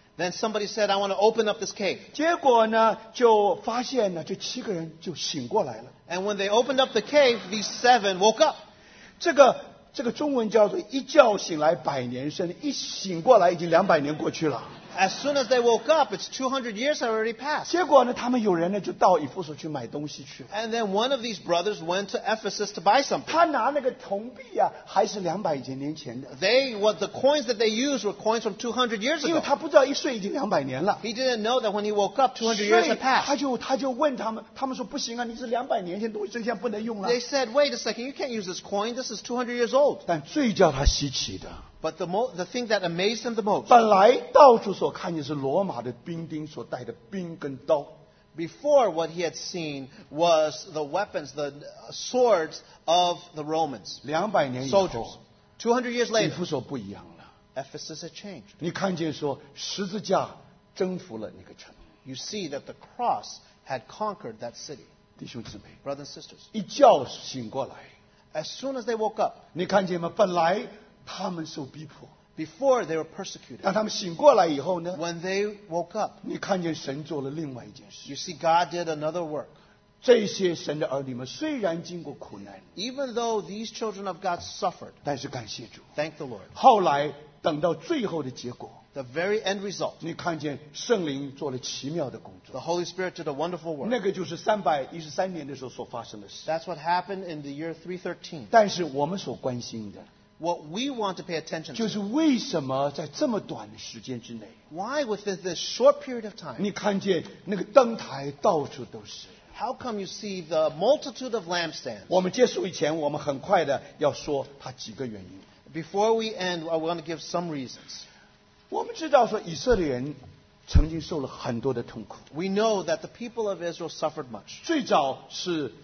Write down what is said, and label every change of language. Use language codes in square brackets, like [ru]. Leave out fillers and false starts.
[en] Then somebody said, I want to open up this cave. [zh] 结果呢, 就发现呢, 这7个人就醒过来了。 [en] And when they opened up the cave, these 7 woke up. [zh] 这个中文叫做一觉醒来百年身, 一醒过来已经200年过去了。 [en] As soon as they woke up, it's 200 years have already passed. [zh] 结果呢, 他们有人呢, 就到以弗所去买东西去了。 [en] And then one of these brothers went to Ephesus to buy something. [zh] 他拿那个铜币啊, 还是200几年前的。 [en] The coins that they used were coins from 200 years ago. [zh] 因为他不知道一睡已经200年了。 [en] He didn't know that when he woke up, 200 years had passed. [zh] 他就问他们, 他们说不行啊, 你是200年前的东西, [en] they said, wait a second, you can't use this coin. This is 200 years old. [zh] 但最叫他稀奇的, [en] but the thing that amazed them the most. [zh] 本来到处所看见是罗马的兵丁所带的兵跟刀。 [en] Before, what he had seen was the weapons, the swords of the Romans. [zh] 200年以后, [en] soldiers. 200 years later, [zh] 以弗所不一样了, [en] Ephesus had changed. [zh] 你看见说十字架征服了那个城。 [en] You see that the cross had conquered that city. [zh] 弟兄姊妹, [en] brothers and sisters. [zh] 一觉醒过来, [en] as soon as they woke up, [zh] 你看见吗?本来, 他们受逼迫, [en] before they were persecuted. [zh] 但他们醒过来以后呢, [en] when they woke up, [zh] 你看见神做了另外一件事, [en] you see God did another work. [zh] 这些神的儿女们虽然经过苦难, [en] even though these children of God suffered, [zh] 但是感谢主, [en] thank the Lord. [zh] 后来等到最后的结果, [en] the very end result, [zh] 你看见圣灵做了奇妙的工作, [en] the Holy Spirit did a wonderful work. [zh] 那个就是313年的时候所发生的事, [en] that's what happened in the year 313. [zh] 但是我们所关心的, [en] what we want to pay attention to, [zh] 就是为什么在这么短的时间之内, [en] why within this short period of time, [zh] 你看见那个灯台到处都是, [en] how come you see the multitude of lampstands? [zh] 我们结束以前, 我们很快的要说他几个原因, [en] before we end, I want to give some reasons. [zh] 我们知道说以色列人曾经受了很多的痛苦, [en] we know that the people of Israel suffered much.